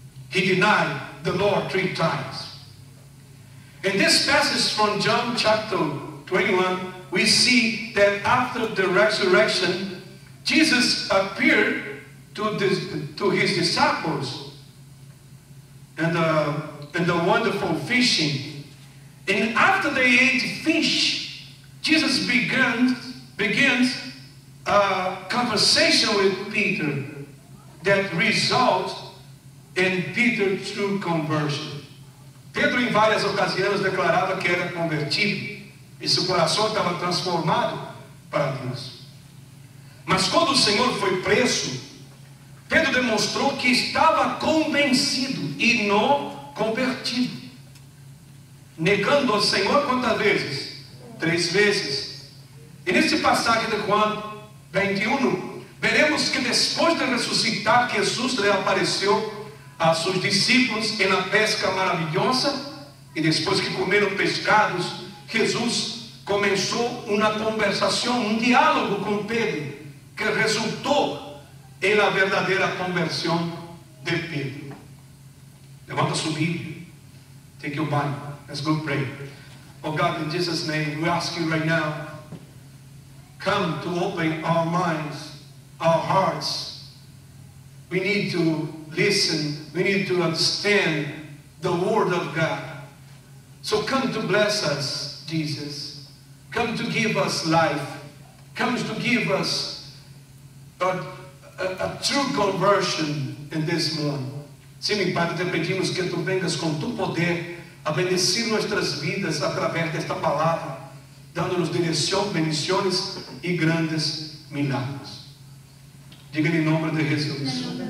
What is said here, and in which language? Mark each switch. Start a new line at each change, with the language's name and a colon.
English: He denied the Lord 3 times. In this passage from John chapter 21, we see that after the resurrection, Jesus appeared to his disciples and the wonderful fishing. And after they ate fish, Jesus begins a conversation with Peter that results in Peter's true conversion.
Portuguese: Pedro, em várias ocasiões, declarava que era convertido e seu coração estava transformado para Deus. Mas quando o Senhor foi preso, Pedro demonstrou que estava convencido e não convertido. Negando ao Senhor quantas vezes? 3 vezes. E nesse passagem de Juan 21, veremos que depois de ressuscitar, Jesus lhe apareceu a seus discípulos em uma pesca maravilhosa. E depois que comeram pescados, Jesus começou uma conversação, um diálogo com Pedro, que resultou em a verdadeira conversão de Pedro. Levanta sua Bíblia.
English: Take your Bible. Let's go pray. Oh God, in Jesus' name, we ask you right now, come to open our minds, our hearts. We need to listen. We need to understand the word of God. So come to bless us, Jesus. Come to give us life. Come to give us a true conversion in this morning.
Portuguese: Sim, Pai, te pedimos que tu vengas com tu poder a bendecir nossas vidas através desta palavra, dando-nos direção, bendições e grandes milagres. Diga em nome de Jesus.